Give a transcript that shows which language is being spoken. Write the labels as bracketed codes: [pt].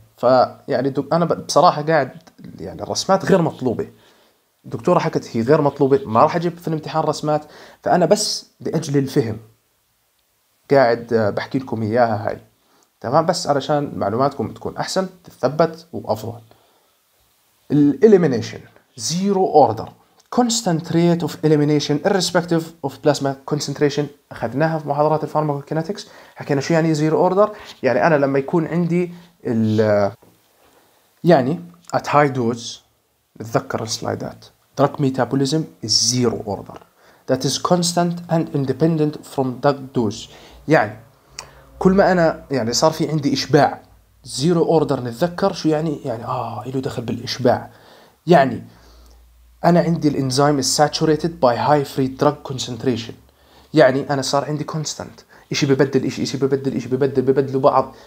[ar] فيعني أنا بصراحة قاعد يعني الرسمات غير مطلوبة، الدكتورة حكت هي غير مطلوبة، ما راح أجيب في الامتحان رسمات، فأنا بس لأجل الفهم قاعد بحكي لكم إياها هاي، تمام؟ بس علشان معلوماتكم تكون أحسن تثبت وأفضل. الإليمينيشن زيرو أوردر، [en] constant rate of elimination irrespective of plasma concentration، [ar] أخذناها في محاضرات الفارماكوكيناتكس، حكينا شو يعني zero order. يعني أنا لما يكون عندي ال يعني [en] at high dose، [ar] تذكر السلايدات، [en] drug metabolism is zero order that is constant and independent from drug dose. [ar] يعني كل ما أنا يعني صار في عندي إشباع zero order، نتذكر شو يعني، يعني إله دخل بالإشباع، يعني أنا عندي الإنزيم [en] is saturated by high free drug concentration، [ar] يعني أنا صار عندي constant، إشي ببدل إشي، إشي ببدل إشي ببدل، ببدلوا بعض.